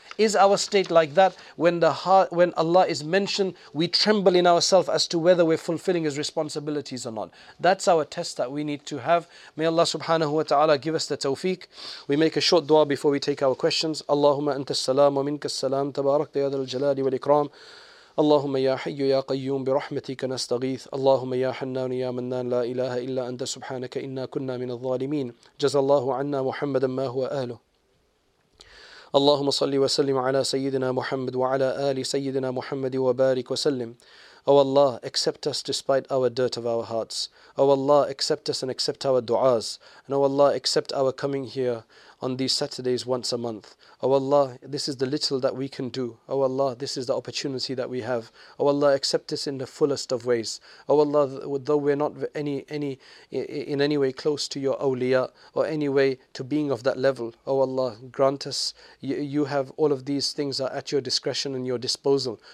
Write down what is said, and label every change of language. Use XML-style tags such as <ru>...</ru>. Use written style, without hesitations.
<en>Is our state like that? When Allah is mentioned, we tremble in ourselves as to whether we're fulfilling His responsibilities or not. That's our test that we need to have. May Allah subhanahu wa ta'ala give us the tawfiq. We make a short dua before we take our questions.</en> <ar>Allahumma anta salam wa minka salam, tabarakta ya dhal jalali wal ikram. اللهم يا حي يا قيوم برحمتك نستغيث اللهم يا حنان يا منان لا إله إلا أنت سبحانك إنا كنا من الظالمين جزى الله عنا محمدا ما هو أهله اللهم صل وسلم على سيدنا محمد وعلى آل سيدنا محمد وبارك وسلم</ar> <en>Oh Allah, accept us despite our dirt of our hearts. Oh Allah, accept us and accept our du'as. And Oh Allah, accept our coming here on these Saturdays once a month. Oh Allah, this is the little that we can do. Oh Allah, this is the opportunity that we have. Oh Allah, accept us in the fullest of ways. Oh Allah, though we're not in any way close to your awliya or any way to being of that level, Oh Allah, grant us, you have all of these things are at your discretion and your disposal.</en>